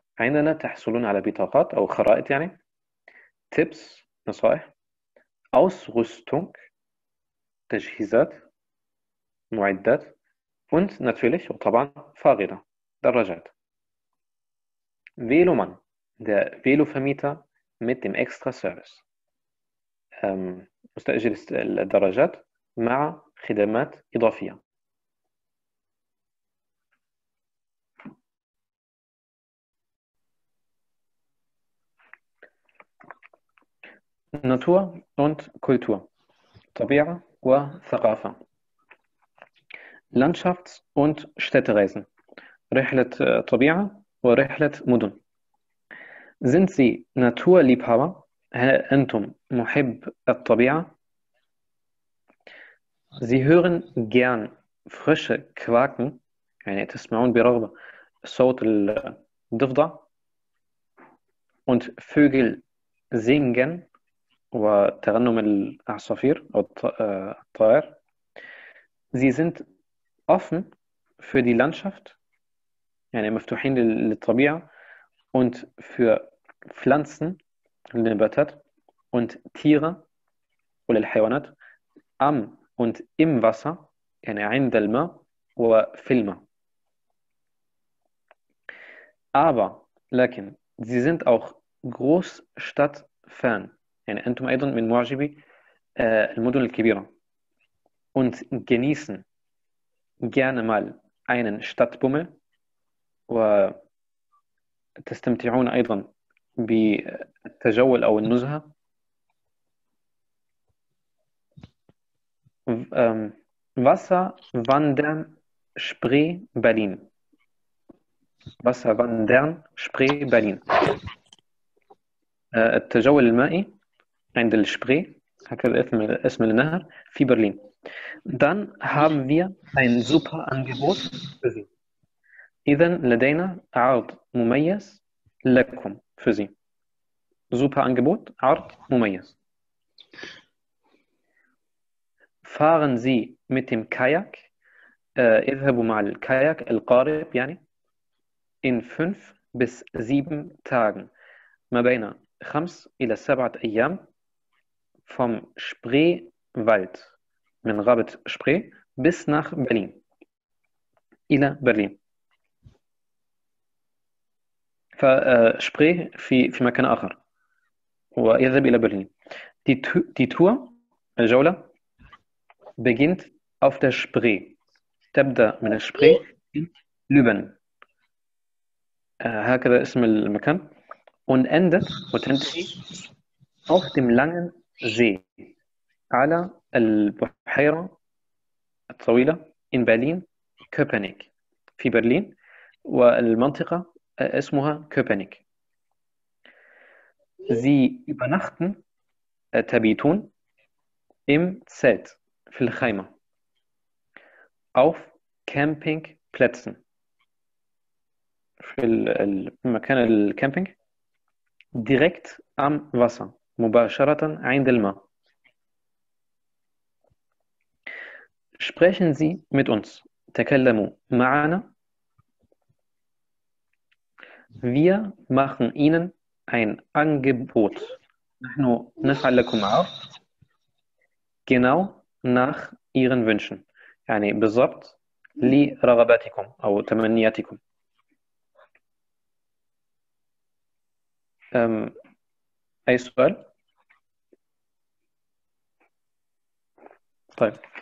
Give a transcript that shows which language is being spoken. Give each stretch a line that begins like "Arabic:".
Arabic: عندنا تحصلون على بطاقات أو خرائط يعني tips نصائح Ausrüstung تجهيزات معدات
German: und natürlich
Arabic: وطبعا فارغة دراجات.
German: Veloman der Velo-Vermieter mit dem extra service
Arabic: مستأجر الدراجات مع خدمات إضافية.
German: Natur und Kultur.
Arabic: طبيعة وثقافة.
German: Landschafts- und Städtereisen.
Arabic: رحلة طبيعة ورحلة مدن.
German: Sind Sie Naturliebhaber?
Arabic: هل أنتم محب الطبيعة؟
German: Sie hören gern frische Quaken
Arabic: يعني تسمعون برغبة صوت الضفدع
German: und Vögel singen
Arabic: وتغنم العصافير أو الطائر.
German: Sie sind offen für die Landschaft,
Arabic: يعني مفتوحين للطبيعة,
German: und für Pflanzen, النباتات, und Tiere, وللحيوانات, am und im Wasser,
Arabic: يعني عند الماء, وفي الماء. Aber, لكن,
German: sie sind auch Großstadt-Fan,
Arabic: يعني أنتم أيضا من معجبي المدن الكبيرة,
German: und genießen gerne mal einen Stadtbummel,
Arabic: وتستمتعون أيضا بالتجول أو النزهة.
German: Wasserwandern Spree Berlin. Wasserwandern Spree Berlin.
Arabic: التجول المائي عند الشبري, هكذا اسم النهر في برلين.
German: Dann haben wir ein super Angebot für Sie.
Arabic: إذن لدينا عرض مميز لكم
German: für Sie. Super Angebot,
Arabic: عرض مميز.
German: Fahren Sie mit dem Kajak,
Arabic: اذهبوا مع الكاياك,
German: القارب يعني, in 5 bis 7 Tagen,
Arabic: ما بين 5 إلى 7 أيام,
German: vom Spreewald,
Arabic: من غابة Spree,
German: bis nach Berlin,
Arabic: إلى Berlin. فSpree في مكان آخر, ويذهب إلى Berlin.
German: Die Tour, الجولة, beginnt auf der Spree.
Arabic: تبدأ من Spree
German: in Lübben.
Arabic: هكذا اسم المكان.
German: Und endet, وتنتهي, auf dem langen See,
Arabic: على البحيرة الطويلة,
German: in Berlin, Köpenick,
Arabic: في برلين, والمنطقة اسمها Köpenick.
German: Sie übernachten, تبيتون, im Zelt,
Arabic: في الخيمة,
German: auf Campingplätzen,
Arabic: في المكان الكامبينج,
German: direkt am Wasser,
Arabic: مباشرة عند الماء.
German: Sprechen Sie mit uns.
Arabic: تكلموا معنا.
German: Wir machen Ihnen ein Angebot.
Arabic: نحن نفعل لكم عرض.
German: Genau nach Ihren Wünschen.
Arabic: يعني بالضبط لرغباتكم أو تمنياتكم. أي سؤال؟ طيب.